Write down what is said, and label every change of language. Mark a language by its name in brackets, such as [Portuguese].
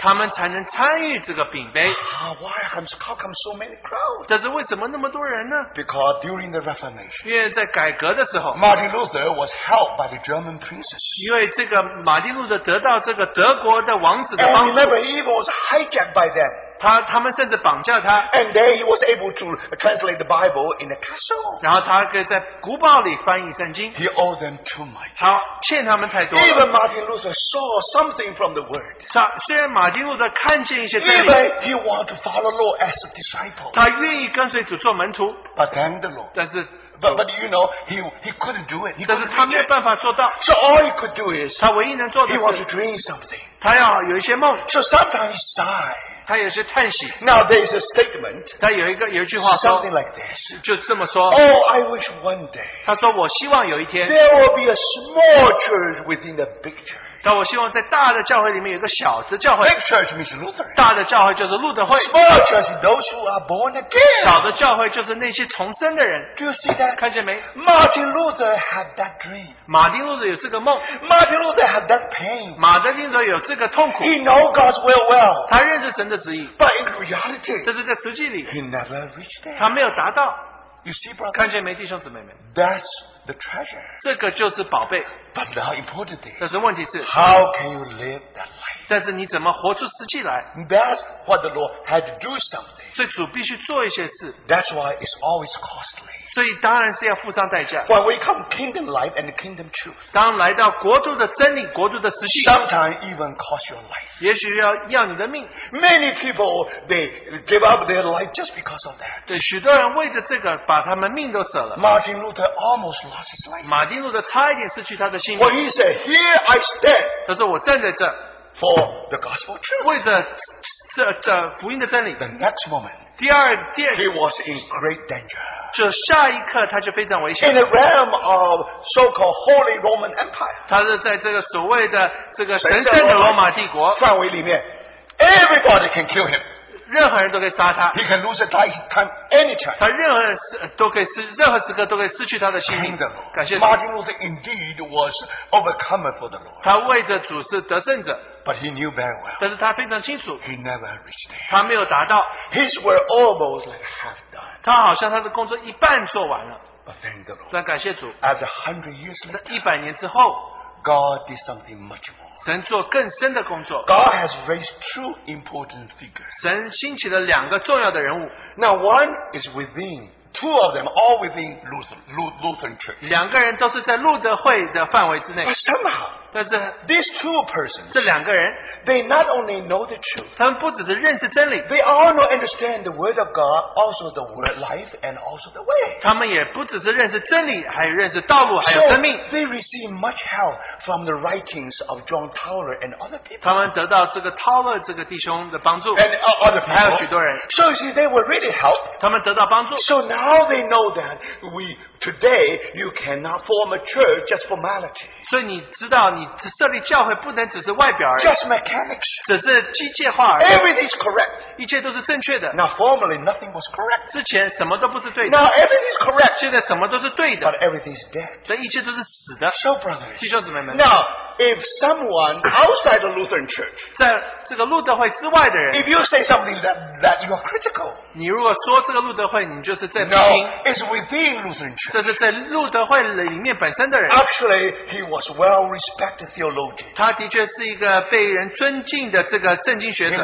[Chinese] 他们才能参与这个饼杯. [English] Why come so many crowds? [Chinese] 但是为什么那么多人呢? [English] Because during the Reformation, [Chinese] 因为在改革的时候, [English] Martin Luther was helped by the German princes. [Chinese] 因为这个马丁路德得到这个德国的王, [English] and remember, he was hijacked by them. [Chinese] 他们甚至绑架他, [English] and there he was able to translate the Bible in a castle. [Chinese] 然后他可以在古堡里翻译圣经, [English] he owed them too much. Even Martin Luther saw something from the word. [Chinese] 虽然马丁路德看见一些真理, [English] even he wanted to follow the Lord as a disciple. [Chinese] 他愿意跟随主做门徒, [English] but then the Lord. But you know, he couldn't do it. So all he could do is, he wanted to dream something. [Chinese] 他要有一些梦, [English] so sometimes he sighed. [Chinese] 他也是叹息, [English] now there is a statement, [Chinese] 他有一句话说, [English] something like this. [Chinese] 就这么说, [English] oh, I wish one day, [Chinese] 他说我希望有一天, [English] there will be a small church within the big church. Big church means Lutheran. [Chinese] 大的教会就是路德会, [English] small church is those who are born again. [Chinese] 小的教会就是那些重生的人, [English] do you see that? [Chinese] 看见没? [English] Martin Luther had that dream. [Chinese] 马丁路德有这个梦, [English] Martin Luther had that pain. [Chinese] 马丁路德有这个痛苦, [English] he knows God's will well. [Chinese] 他认识神的旨意, [English] but in reality, [Chinese] 这是在实际里, [English] he never reached there. [Chinese] 他没有达到, [English] you see, brother? [Chinese] 看见没, 弟兄姊妹们? [English] That's the treasure. [Chinese] 这个就是宝贝, [English] but the important thing, [Chinese] 但是问题是, [English] how can you live that life? [Chinese] 但是你怎么活出实际来? [English] That's what the Lord had to do something. [Chinese] 所以主必须做一些事, [English] that's why it's always costly. [Chinese] 所以当然是要付上代价, [English] when we come kingdom life and kingdom truth, [Chinese] 当来到国度的真理, 国度的实际, [English] sometimes even cost your life. [Chinese] 也许要你的命, [English] many people, they give up their life just because of that. [Chinese] 对, 许多人为着这个, 把他们命都舍了, [English] Martin Luther almost lost his life. [Chinese] 马丁路德差一点失去他, [English] well, he said, here I stand, [Chinese] 他说我站在这, [English] for the gospel truth. [Chinese] 为着福音的真理, [English] the next moment, [Chinese] 第二, [English] he was in great danger. [Chinese] 这下一刻他就非常危险, [English] in the realm of so-called Holy Roman Empire, [Chinese] 他是在这个所谓的这个神圣的罗马帝国, 范围里面, [English] everybody can kill him. [Chinese] 任何人都可以杀他, [English] he can lose a lifetime anytime. [Chinese] 他任何时刻都可以失去他的性命, [English] the Lord. [Chinese] 感谢主, [English] Martin Luther indeed was overcomer for the Lord. [Chinese] 他为着主是得胜者, [English] but he knew very well, [Chinese] 但是他非常清楚, [English] he never reached there. [Chinese] 他没有达到, [English] his work almost like half done. [Chinese] 他好像他的工作一半做完了, [English] but thank the Lord. [Chinese] 但感谢主, [English] after 100 years later, [Chinese] 100年之后, [English] God did something much more. [Chinese] 神做更深的工作, [English] God has raised two important figures. [Chinese] 神兴起了两个重要的人物, [English] now one is within, two of them all within Lutheran church. [Chinese] 两个人都是在路德会的范围之内, [English] but somehow, [Chinese] 但是, [English] these two persons, [Chinese] 这两个人, [English] they not only know the truth, [Chinese] 他们不只是认识真理, [English] they also understand the word of God, also the word life, and also the way. [Chinese] 他们也不只是认识真理, 还认识道路, 还有生命, [English] so they receive much help from the writings of John Towler and other people. [Chinese] 他们得到这个Towler这个弟兄的帮助, [English] and other people, [Chinese] 还有许多人, [English] so you see, they were really helped. [Chinese] 他们得到帮助, [English] so now they know that we today you cannot form a church just formality. [Chinese] 所以你知道, 你设立教会不能只是外表而已, [English] just mechanics, [Chinese] 只是机械化而已, [English] everything is correct, [Chinese] 一切都是正确的, [English] now formerly nothing was correct, [Chinese] 之前什么都不是对的, [English] now everything is correct, [Chinese] 现在什么都是对的, [English] but everything is dead, [Chinese] 这一切都是死的, [English] so brothers, [Chinese] 弟兄姊妹们, [English] now if someone outside the Lutheran church, [Chinese] 在这个路德会之外的人, [English] if you say something that you are critical, [Chinese] 你如果说这个路德会, 你就是在批评, [English] no, it's within Lutheran church, [Chinese] 这是在路德会里面本身的人, [English] actually he was well respected theologian. [Chinese] 他的确是一个被人尊敬的这个圣经学者,